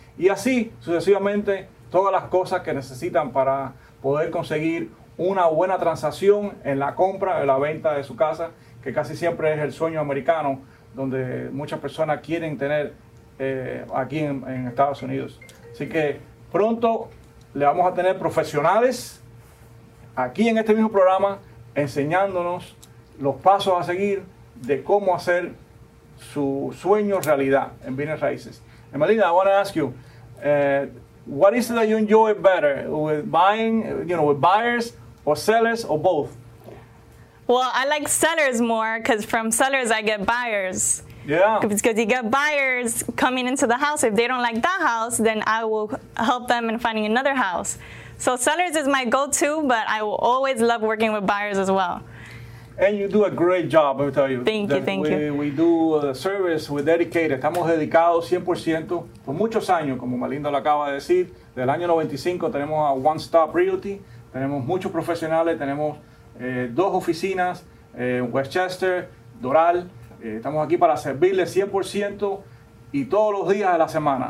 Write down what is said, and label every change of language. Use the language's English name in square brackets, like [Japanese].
[Spanish] Y así sucesivamente todas las cosas que necesitan para poder conseguir una buena transacción en la compra o la venta de su casa, que casi siempre es el sueño americano, donde muchas personas quieren tener aquí en Estados Unidos. Así que pronto le vamos a tener profesionales aquí en este mismo programa enseñándonos los pasos a seguir de cómo hacer su sueño realidad en bienes raíces. [English] Emelina, I want to ask you, what is it that you enjoy better with buying, you know, with buyers, or sellers, or both? Well, I like sellers more because from sellers I get buyers. Yeah. Because you get buyers coming into the house. If they don't like that house, then I will help them in finding another house. So sellers is my go-to, but I will always love working with buyers as well. And you do a great job, I tell you. Thank you. We do the service, we're dedicated. [Spanish] Estamos dedicados 100% por muchos años, como Melinda lo acaba de decir. Del año 95 tenemos a One Stop Realty. Tenemos muchos profesionales, tenemos dos oficinas, Westchester, Doral. Estamos aquí para servirles 100% y todos los días de la semana.